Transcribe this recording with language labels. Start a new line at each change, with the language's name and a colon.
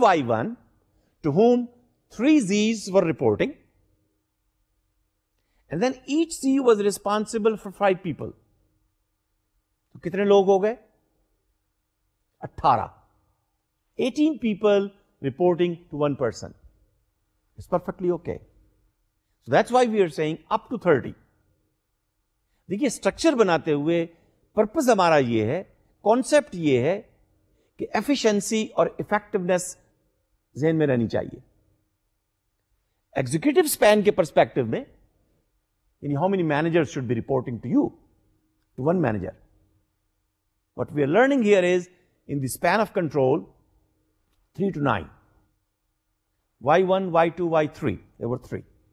English: Y1, to whom 3 Zs were reporting, and then each Z was responsible for 5 people. So,
Urdu: kitne log ho gaye?
English: 18. 18 people reporting to one person. It's perfectly okay. So that's why we are saying up to 30.
Urdu: دیکھیے structure بناتے ہوئے purpose ہمارا یہ ہے, concept یہ ہے کہ efficiency اور effectiveness ذہن میں رہنی چاہیے.
English: Executive span کے perspective میں, یعنی how many managers should be reporting to you, to one manager. What we are learning here is in the span of control, 3 to 9. Y1, Y2, Y3. There were three.